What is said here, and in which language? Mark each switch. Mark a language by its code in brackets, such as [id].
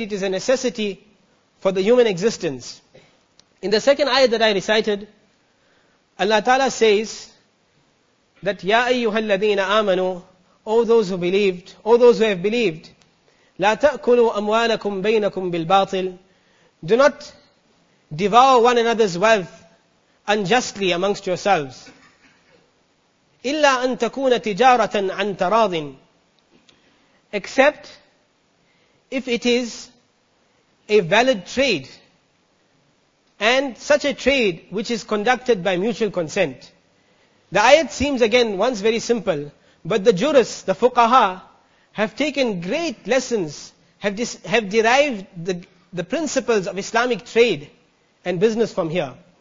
[en] It is a necessity for the human existence. In the second ayah that I recited, Allah Ta'ala says that, Ya [ar] أَيُّهَا الَّذِينَ آمَنُوا, [en] all those who believed, all those who have believed, [ar] لَا تَأْكُلُوا أَمْوَالَكُمْ بَيْنَكُمْ بِالْبَاطِلِ, [en] do not devour one another's wealth unjustly amongst yourselves. [ar] إِلَّا أَن تَكُونَ تِجَارَةً عَن تَرَاضٍ, [en] except if it is a valid trade, and such a trade which is conducted by mutual consent. The ayat seems again once very simple, but the jurists, the fuqaha, have taken great lessons, have derived the principles of Islamic trade and business from here.